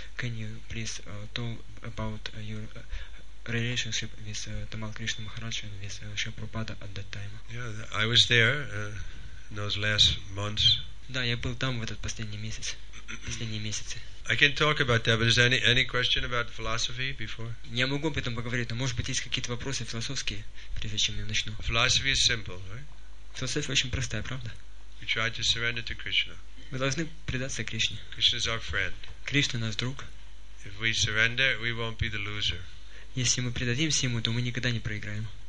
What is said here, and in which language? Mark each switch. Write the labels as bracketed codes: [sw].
[en] Can you please tell about your relationship with Tamal Krishna Maharaj and with Shri Prabhupada at that time? Yeah, I was there in those last months. [ru] Да, я был там в этот последний месяц. Последние месяцы. [en] I can talk about that, but is there any question about philosophy before? [ru] Я могу об этом поговорить, но может быть есть какие-то вопросы философские, прежде чем я начну. [en] Philosophy is simple, right? [ru] Философия очень простая, правда? [en] We try to surrender to Krishna. [ru] Мы должны предаться Кришне. [en] Krishna is our friend. [ru] Кришна наш друг. [en] If we surrender, we won't be the loser. [ru] Если мы предадимся ему, то мы никогда не проиграем.